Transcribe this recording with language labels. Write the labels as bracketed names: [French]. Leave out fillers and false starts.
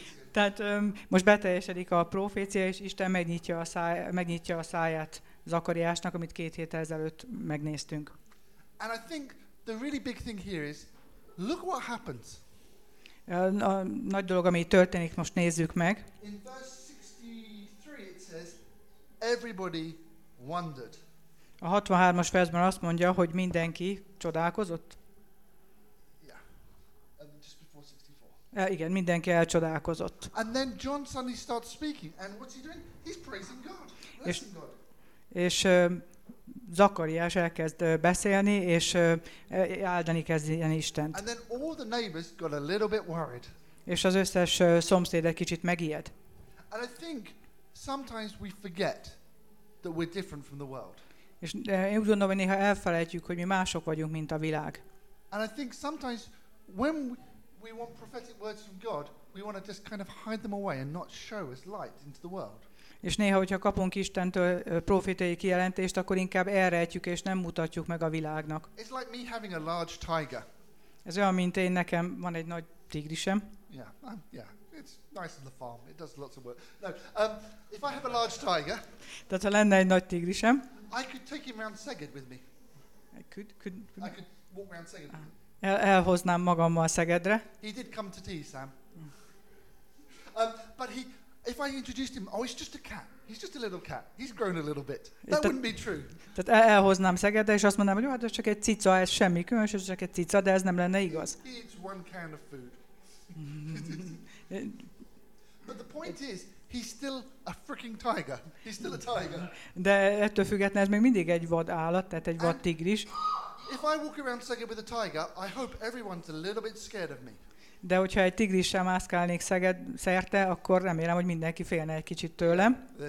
[Hungarian] Tehát most beteljesedik a profécia, és Isten megnyitja a száját Zakariásnak, amit 2 héttel ezelőtt megnéztünk. [English] And I think the really big thing here is, look what happens. [Hungarian] A nagy dolog, ami történik, most nézzük meg. [English] In verse 63 it says, everybody wondered. [Hungarian] A 63-as versben azt mondja, hogy mindenki csodálkozott. [English] Yeah. Just before 64. [Hungarian] Igen, mindenki elcsodálkozott. [English] And then John suddenly starts speaking. And what's he doing? He's praising God. Praising God. [Hungarian] És Zakariás elkezd beszélni, és áldani kezd ilyen Istent. [English] And then all the neighbors got a little bit worried. [Hungarian] És az összes szomszéd egy kicsit megijed. [English] And I think sometimes we forget that we're different from the world. [Hungarian] És én úgy gondolom, hogy néha elfelejtjük, hogy mi mások vagyunk, mint a világ. [English] And I think sometimes when we want prophetic words from God, we want to just kind of hide them away and not show as light into the world. [Hungarian] És néha, hogyha kapunk Istentől profétai kijelentést, akkor inkább elrejtjük és nem mutatjuk meg a világnak. [English] It's like me having a large tiger. [Hungarian] Ez olyan, mint én, nekem van egy nagy tigrisem. [English] Yeah, yeah. It's nice on the farm. It does lots of work. No, if I have a large tiger. [Hungarian] Tehát ha lenne egy nagy tigrisem. [English] I could take him around Szeged with me. I could. I could walk around Szeged. [Hungarian] Elhoznám magammal Szegedre. [English] He did come to tea, Sam. But he. If I introduced him, oh, it's just a cat. He's just a little cat. He's grown a little bit. That wouldn't be true. [Hungarian] Tehát elhoznám Szegedre, és azt mondanám, hogy hát ez csak egy cica, ez semmi különös, ez csak egy cica, de ez nem lenne igaz. [English] He eats one can of food. But the point is, he's still a freaking tiger. He's still a tiger. [Hungarian] De ettől függetlenül ez még mindig egy vad állat, tehát egy vad tigris. [English] If I walk around Szeged with a tiger, I hope everyone's a little bit scared of me. [Hungarian] De hogyha egy tigrissel mászkálnék Szeged szerte, akkor remélem, hogy mindenki félne egy kicsit tőlem.